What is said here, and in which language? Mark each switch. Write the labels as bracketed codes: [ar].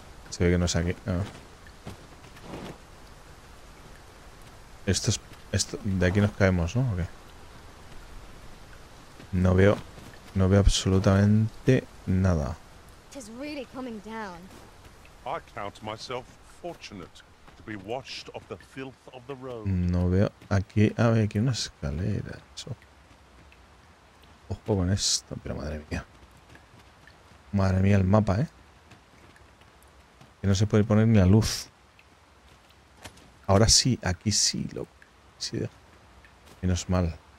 [es] Se ve que no es aquí. Ah. Esto de aquí nos caemos, ¿no? ¿O qué? No veo absolutamente nada. [en] It's really coming down. I count myself fortunate to be washed of the filth of the road. [es] No veo aquí. Ah, ve aquí una escalera. Eso. Ojo con esto, pero madre mía. Madre mía, el mapa, ¿eh? Que no se puede poner ni la luz. Ahora sí, aquí sí, loco. Sí, menos mal.